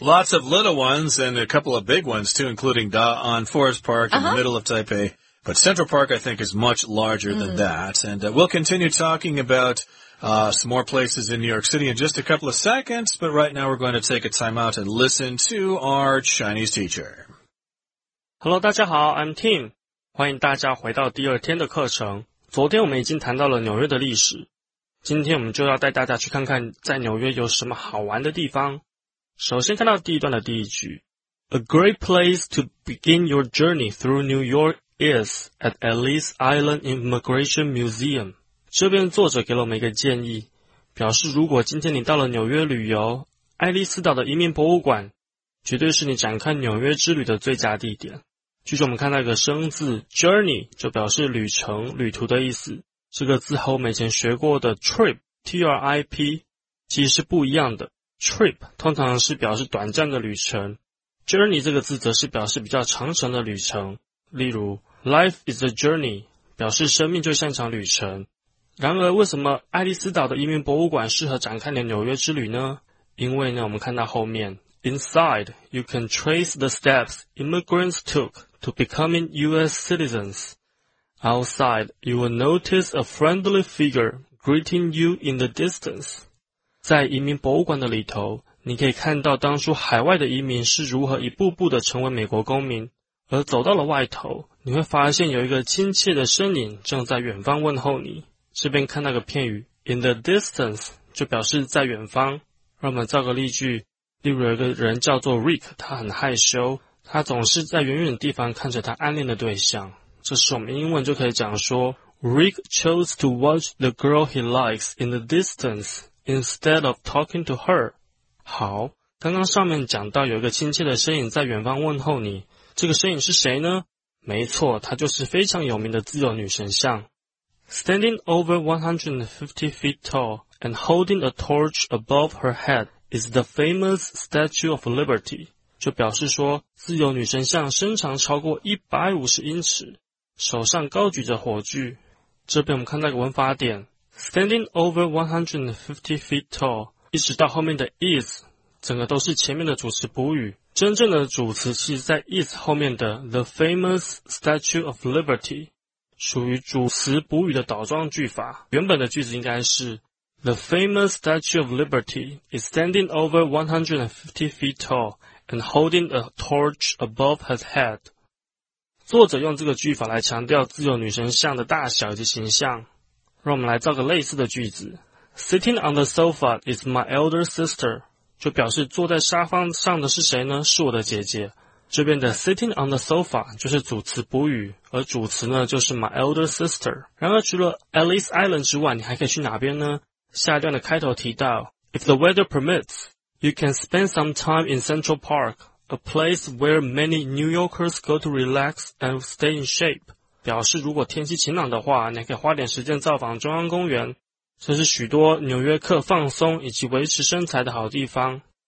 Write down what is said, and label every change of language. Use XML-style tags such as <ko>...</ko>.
<en>Lots of little ones and a couple of big ones, too, including Da'an Forest Park in the middle of Taipei. But Central Park, I think, is much larger than that, and we'll continue talking about some more places in New York City in just a couple of seconds, but right now we're going to take a time out and listen to our Chinese teacher. Hello,</en> <zh>大家好</zh> <en>,I'm Tim.</en> <zh>欢迎大家回到第二天的课程。昨天我们已经谈到了纽约的历史。今天我们就要带大家去看看在纽约有什么好玩的地方。首先看到第一段的第一句。</zh> <en>A great place to begin your journey through New York is at Ellis Island Immigration Museum.</en> <zh>这边作者给了我们一个建议，表示如果今天你到了纽约旅游，爱丽丝岛的移民博物馆绝对是你展开纽约之旅的最佳地点。据说我们看到一个生字 journey 就表示旅程、旅途的意思，这个字和我们以前学过的 trip T-R-I-P 其实是不一样的。 trip 通常是表示短暂的旅程， journey 这个字则是表示比较长程的旅程，例如</zh> <en>life is a journey</en> <zh>表示生命就像一场旅程。然而为什么爱丽丝岛的移民博物馆适合展开你的纽约之旅呢？因为呢，我们看到后面</zh> <en>Inside, you can trace the steps immigrants took to becoming US citizens. Outside, you will notice a friendly figure greeting you in the distance.</en> <zh>在移民博物馆的里头，你可以看到当初海外的移民是如何一步步的成为美国公民，而走到了外头，你会发现有一个亲切的身影正在远方问候你。这边看到个片语 in the distance 就表示在远方。让我们造个例句，例如有一个人叫做 Rick， 他很害羞，他总是在远远的地方看着他暗恋的对象。这时我们英文就可以讲说</zh> <en>Rick chose to watch the girl he likes in the distance instead of talking to her。</en> <zh>好，刚刚上面讲到有一个亲切的身影在远方问候你，这个身影是谁呢？没错，他就是非常有名的自由女神像。</zh> <en>Standing over 150 feet tall and holding a torch above her head is the famous Statue of Liberty.</en> <zh>就表示说自由女神像身长超过150英尺，手上高举着火炬。这边我们看到一个文法点</zh> <en>standing over 150 feet tall，</en> <zh>一直到后面的 is， 整个都是前面的主词补语。真正的主词是在 is 后面的</zh> <en>the famous Statue of Liberty，</en> <zh>属于主词补语的倒装句法。原本的句子应该是</zh> <en>the famous Statue of Liberty is standing over 150 feet tall and holding a torch above his head。</en> <zh>作者用这个句法来强调自由女神像的大小以及形象。让我们来造个类似的句子。</zh> <en>Sitting on the sofa is my elder sister，</en> <zh>就表示坐在沙发上的是谁呢？是我的姐姐。这边的</zh> <en>sitting on the sofa</en> <zh>就是主词补语，而主词呢就是</zh> <en>my elder sister。</en> <zh>然而除了 Ellis Island 之外，你还可以去哪边呢？下一段的开头提到</zh> <en>If the weather permits, you can spend some time in Central Park,A place where many New Yorkers go to relax and stay in shape.</en> <zh>表示如果天气晴朗的话，你可以花点时间造访中央公园，这是许多纽约客放松以及维持身材的好地方。</zh>